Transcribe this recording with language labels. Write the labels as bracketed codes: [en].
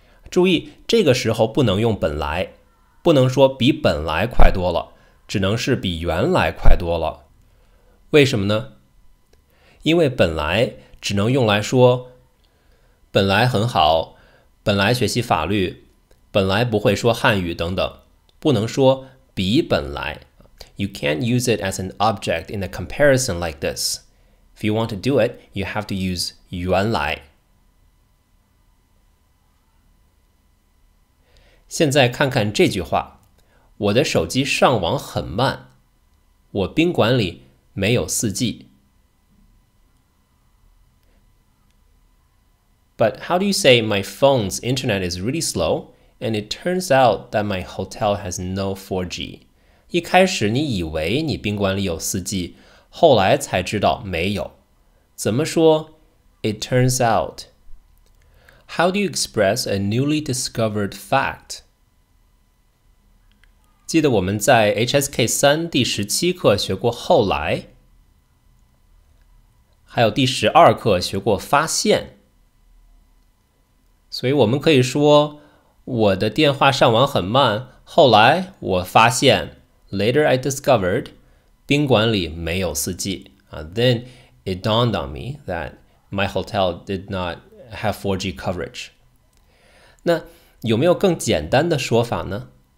[zh] 注意，这个时候不能用本来，不能说比本来快多了，只能是比原来快多了。为什么呢？因为本来只能用来说本来很好，本来学习法律，本来不会说汉语等等，不能说比本来。 [en] You can't use it as an object in a comparison like this. If you want to do it, you have to use 原来。 [zh] 现在看看这句话，我的手机上网很慢，我宾馆里没有 4G。 [en] But how do you say my phone's internet is really slow, and it turns out that my hotel has no 4G? [zh] 一开始你以为你宾馆里有 4G, 后来才知道没有。怎么说 [en] ?It turns out. How do you express a newly discovered fact? [zh] 记得我们在 HSK3 第17课学过后来，还有第12课学过发现。所以我们可以说，我的电话上网很慢，后来我发现 , [en] later I discovered, [zh] 宾馆里没有 4G. [en] Then it dawned on me that my hotel did not have 4G coverage. [zh] 那有没有更简单的说法呢？